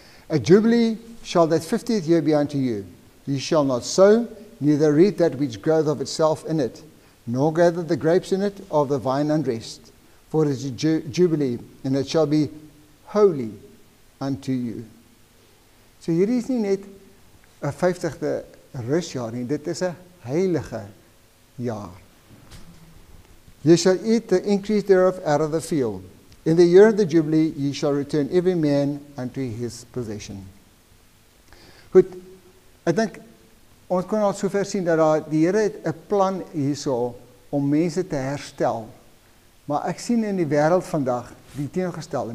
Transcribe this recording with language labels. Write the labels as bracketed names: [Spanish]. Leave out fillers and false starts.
[English] A jubilee shall that 50th year be unto you. You shall not sow, neither reap that which groweth of itself in it, nor gather the grapes in it of the vine undressed. for it is a jubilee, and it shall be holy unto you. [Afrikaans] So hier is nie net 'n 50ste rusjaar nie, dit is 'n heilige jaar. [English] Ye shall eat the increase thereof out of the field. In the year of the jubilee ye shall return every man unto his possession. [Afrikaans] Goed, ek dink ons kon al sover sien dat daar die Here het 'n plan hierso om mense te herstel. Maar ek sien in die wêreld vandag die teenoorgestelde.